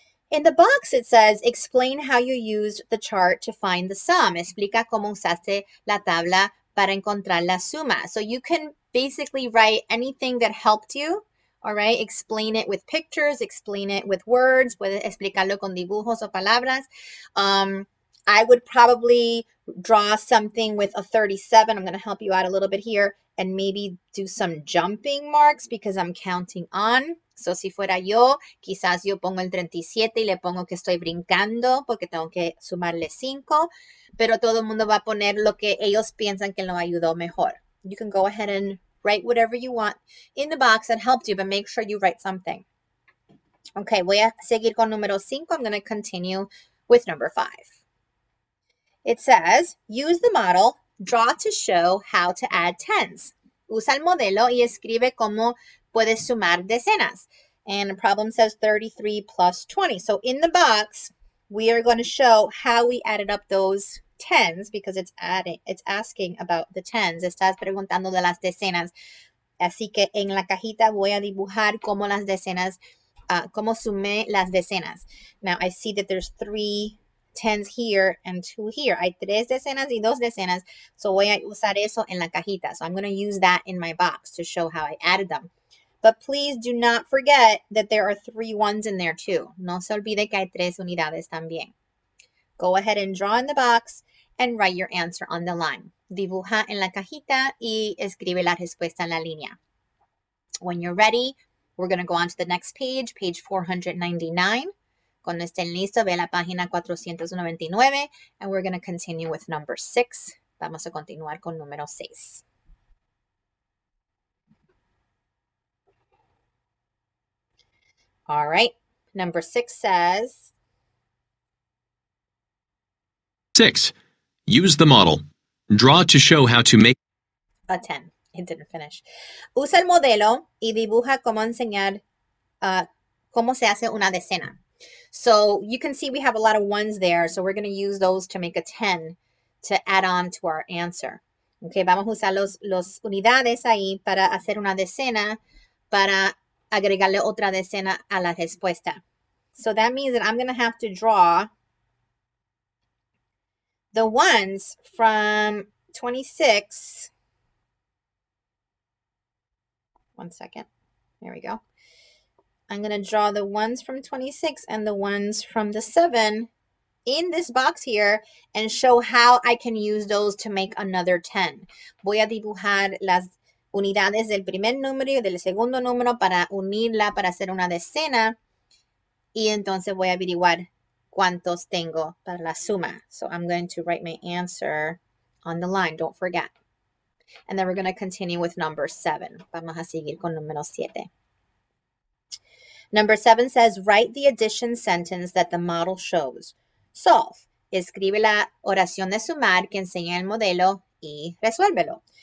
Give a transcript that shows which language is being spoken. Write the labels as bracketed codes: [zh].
[en] In the box, it says, explain how you used the chart to find the sum. [es] Explica cómo usaste la tabla para encontrar la suma. [en] So you can basically write anything that helped you. All right, explain it with pictures, explain it with words, [es] puedes explicarlo con dibujos o palabras. [en] I would probably draw something with a 37. I'm going to help you out a little bit here and maybe do some jumping marks because I'm counting on. [es] So si fuera yo, quizás yo pongo el 37 y le pongo que estoy brincando porque tengo que sumarle 5, pero todo el mundo va a poner lo que ellos piensan que lo ayudó mejor. [en] You can go ahead and write whatever you want in the box that helped you, but make sure you write something. Okay, [es] voy a seguir con número 5. [en] I'm going to continue with number 5. It says, use the model, draw to show how to add tens. [es] Usa el modelo y escribe cómo puedes sumar decenas. [en] And the problem says 33 plus 20. So in the box, we are going to show how we added up those tens, because it's asking about the tens. [es] Estás preguntando de las decenas. Así que en la cajita voy a dibujar cómo las decenas, cómo sumé las decenas. [en] Now I see that there's 3 tens here and 2 here. [es] Hay 3 decenas y 2 decenas. So voy a usar eso en la cajita. [en] So I'm going to use that in my box to show how I added them. But please do not forget that there are 3 ones in there too. [es] No se olvide que hay 3 unidades también. [en] Go ahead and draw in the box and write your answer on the line. [es] Dibuja en la cajita y escribe la respuesta en la línea. [en] When you're ready, we're going to go on to the next page, page 499. [es] Cuando estén listos, ve la página 499 [en] and we're going to continue with number 6. [es] Vamos a continuar con número 6. [en] All right, number 6 says... 6. Use the model. Draw to show how to make... A 10. It didn't finish. [es] Usa el modelo y dibuja cómo enseñar cómo se hace una decena. [en] So you can see we have a lot of ones there, so we're going to use those to make a 10 to add on to our answer. [es] Okay, vamos a usar los unidades ahí para hacer una decena, para agregarle otra decena a la respuesta. [en] So that means that I'm going to have to draw the ones from 26. One second. There we go. I'm going to draw the ones from 26 and the ones from the 7 in this box here and show how I can use those to make another 10. [es] Voy a dibujar las unidades del primer número y del segundo número para unirla para hacer una decena. Y entonces voy a averiguar cuántos tengo para la suma. [en] So I'm going to write my answer on the line. Don't forget. And then we're going to continue with number 7. [es] Vamos a seguir con número 7. [en] Number 7 says, write the addition sentence that the model shows. Solve. [es] Escribe la oración de sumar que enseña el modelo y resuélvelo.